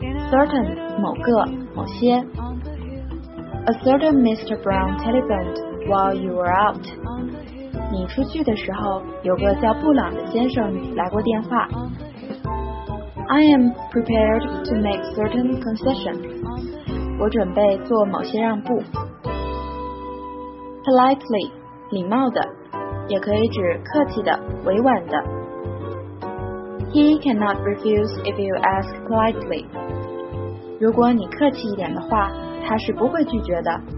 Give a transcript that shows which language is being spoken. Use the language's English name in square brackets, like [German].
[Chinese] Certain 某个某些。 [English] A certain Mr. Brown telephoned while you were out. [Chinese] 你出去的时候，有个叫布朗的先生来过电话。 [English] I am prepared to make certain concessions. [Chinese] 我准备做某些让步。 Politely, 礼貌的，也可以指客气的，委婉的。 [English] He cannot refuse if you ask politely. [Chinese] 如果你客气一点的话，他是不会拒绝的。